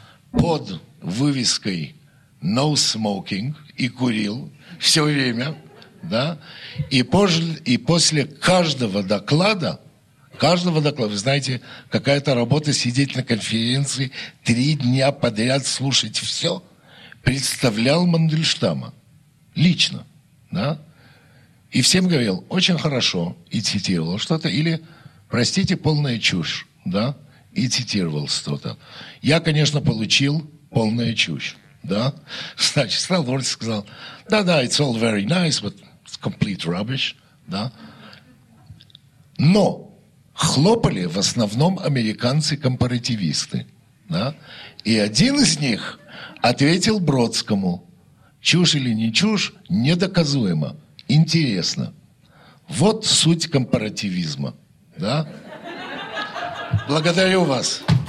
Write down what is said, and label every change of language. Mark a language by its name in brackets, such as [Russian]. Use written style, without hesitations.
[Russian] под вывеской [English] «No smoking» [Russian] и курил все время, да, и после каждого доклада, вы знаете, какая-то работа сидеть на конференции, три дня подряд слушать все, представлял Мандельштама лично, да, и всем говорил «очень хорошо» и цитировал что-то, или «простите, полная чушь», да, и цитировал что-то. Я, конечно, получил полную чушь, да. Значит, стал говорить, сказал, да-да, [English] it's all very nice, but it's complete rubbish, [Russian] да. Но хлопали в основном американцы-компаративисты, да. И один из них ответил Бродскому, чушь или не чушь, недоказуемо, интересно. Вот суть компаративизма, да. Благодарю вас.